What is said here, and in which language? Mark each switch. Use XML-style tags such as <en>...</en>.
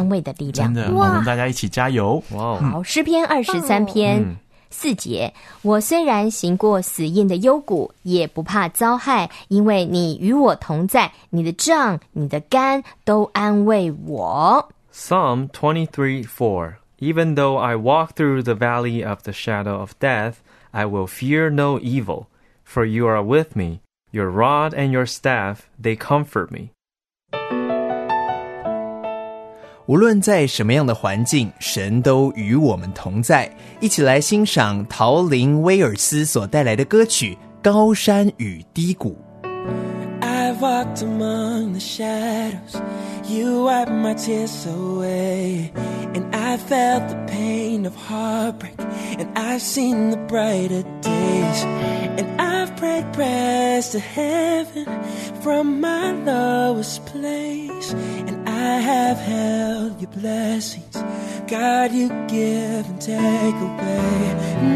<zh>安慰的力量。真的，我们大家一起加油。好，诗篇23篇四节，我虽然行过死荫的幽谷，也不怕遭害，因为你与我同在，你的杖你的竿都安慰我。</zh> <en>Psalm 23:4Even though I walk through the valley of the shadow of death, I will fear no evil, for you are with me. Your rod and your staff, they comfort me.</en> <zh>无论在什么样的环境，神都与我们同在。一起来欣赏陶琳·威尔斯所带来的歌曲《高山与低谷》。</zh> <en>I've walked among the shadows, you wiped my tears away, and I felt the pain of heartbreak, and I've seen the brighter days, and I've prayed prayers to heaven from my lowest place, and I have held your blessings, God, you give and take away.</en>